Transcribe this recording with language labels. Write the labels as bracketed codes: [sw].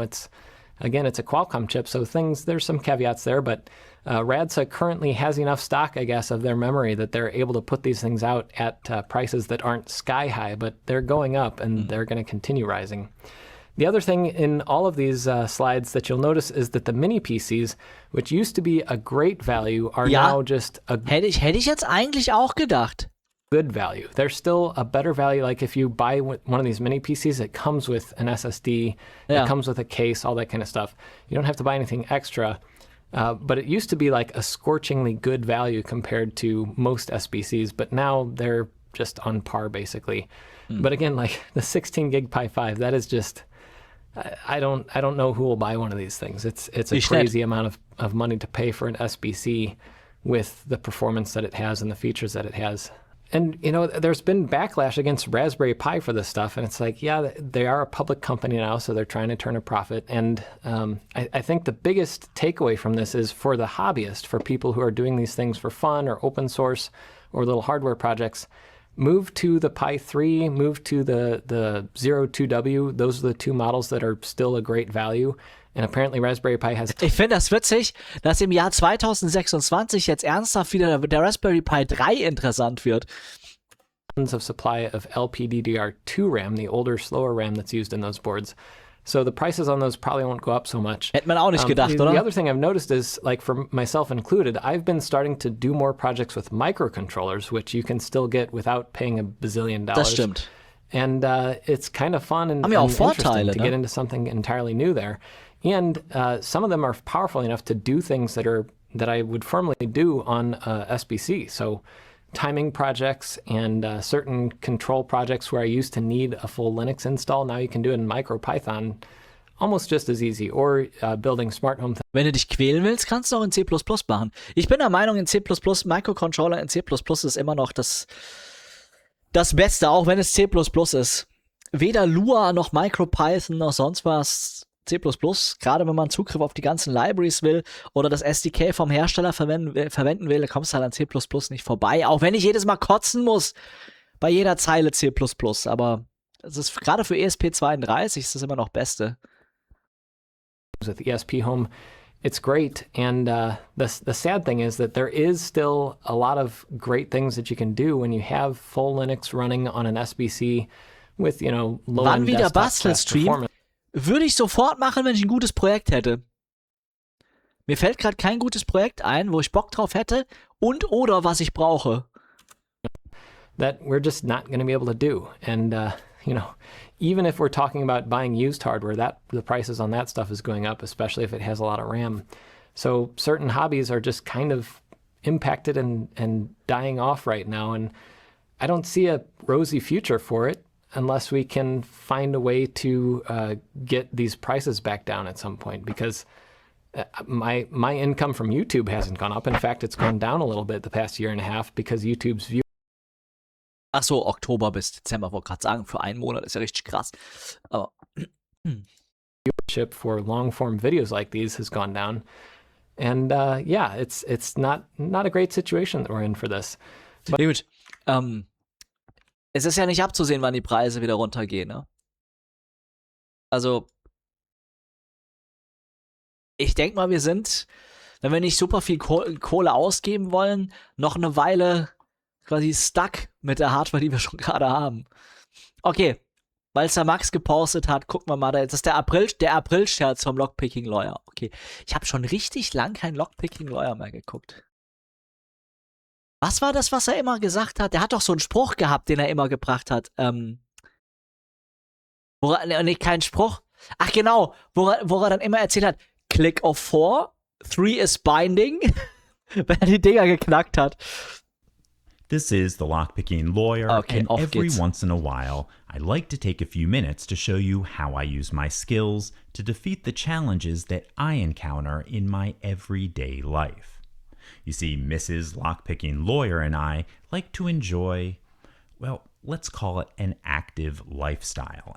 [en] It's, again, it's a Qualcomm chip, so things, there's some caveats there, but Radsa currently has enough stock, I guess, of their memory that they're able to put these things out at prices that aren't sky high, but they're going up and they're going to continue rising. The other thing in all of these slides that you'll notice is that the mini PCs, which used to be a great value, are now just a [de] hätte ich jetzt eigentlich auch gedacht. [en] Good value. They're still a better value. Like if you buy one of these mini PCs, it comes with an SSD, it comes with a case, all that kind of stuff. You don't have to buy anything extra. But it used to be like a scorchingly good value compared to most SBCs, but now they're just on par basically. Mm. But again, like the 16 gig Pi 5, that is just... I don't know who will buy one of these things. It's a crazy amount of money to pay for an SBC with the performance that it has and the features that it has. And, you know, there's been backlash against Raspberry Pi for this stuff. And it's like, yeah, they are a public company now, so they're trying to turn a profit. And I think the biggest takeaway from this is for the hobbyist, for people who are doing these things for fun or open source or little hardware projects, move to the Pi 3, move to the 02W. Those are the two models that are still a great value. And apparently Raspberry Pi has... [de] Ich finde das witzig, dass im Jahr 2026 jetzt ernsthaft wieder der Raspberry Pi 3 interessant wird. [en] ...of supply of LPDDR2 RAM, the older, slower RAM that's used in those boards. So the prices on those probably won't go up so much. [de] Hätte man auch nicht gedacht, oder? [en] The other thing I've noticed is, like for myself included, I've been starting to do more projects with microcontrollers, which you can still get without paying a bazillion dollars. [de] Das stimmt. [en] And it's kind of fun and interesting to get into something entirely new there. And some of them are powerful enough to do things that are that I would formerly do on SBC. So timing projects and certain control projects where I used to need a full Linux install, now you can do it in MicroPython almost just as easy. Or building smart home things. [de] Wenn du dich quälen willst, kannst du auch in C++ machen. Ich bin der Meinung, in C++, Microcontroller in C++ ist immer noch das Beste, auch wenn es C++ ist. Weder Lua noch MicroPython noch sonst was. C++, gerade wenn man Zugriff auf die ganzen Libraries will oder das SDK vom Hersteller verwenden will, dann kommst du halt an C++ nicht vorbei. Auch wenn ich jedes Mal kotzen muss bei jeder Zeile C++. Aber es ist gerade für ESP32 ist das immer noch Beste. [en] With ESP Home, it's great. And the sad thing is that there is still a lot of great things that you can do when you have full Linux running on an SBC with, you know, low end desktop Bastelstream? [de] Würde ich sofort machen, wenn ich ein gutes Projekt hätte. Mir fällt gerade kein gutes Projekt ein, wo ich Bock drauf hätte und oder was ich brauche. [en] That we're just not going to be able to do. And, you know, even if we're talking about buying used hardware, that the prices on that stuff is going up, especially if it has a lot of RAM. So certain hobbies are just kind of impacted and dying off right now. And I don't see a rosy future for it. Unless we can find a way to get these prices back down at some point, because my income from YouTube hasn't gone up. In fact, it's gone down a little bit the past year and a half because YouTube's view. [de] Ach so, Oktober bis Dezember, wollte gerade sagen, für einen Monat ist ja richtig krass. Aber [en] viewership for long-form videos like these has gone down, and yeah, it's not a great situation that we're in for this. [de] But gut. Es ist ja nicht abzusehen, wann die Preise wieder runtergehen, ne? Also, ich denke mal, wir sind, wenn wir nicht super viel Kohle ausgeben wollen, noch eine Weile quasi stuck mit der Hardware, die wir schon gerade haben. Okay, weil es der Max gepostet hat, gucken wir mal, das ist der April-Scherz vom Lockpicking-Lawyer. Okay, ich habe schon richtig lang keinen Lockpicking-Lawyer mehr geguckt. Was war das, was er immer gesagt hat? Der hat doch so einen Spruch gehabt, den er immer gebracht hat. Kein Spruch. Ach genau, wo er dann immer erzählt hat, [en] click of four, three is binding, [de] wenn er die Dinger geknackt hat. [en] This is the Lockpicking Lawyer, okay, and off every [de] geht's. [en] Once in a while, I like to take a few minutes to show you how I use my skills to defeat the challenges that I encounter in my everyday life. You see, Mrs. Lockpicking Lawyer and I like to enjoy, well, let's call it an active lifestyle.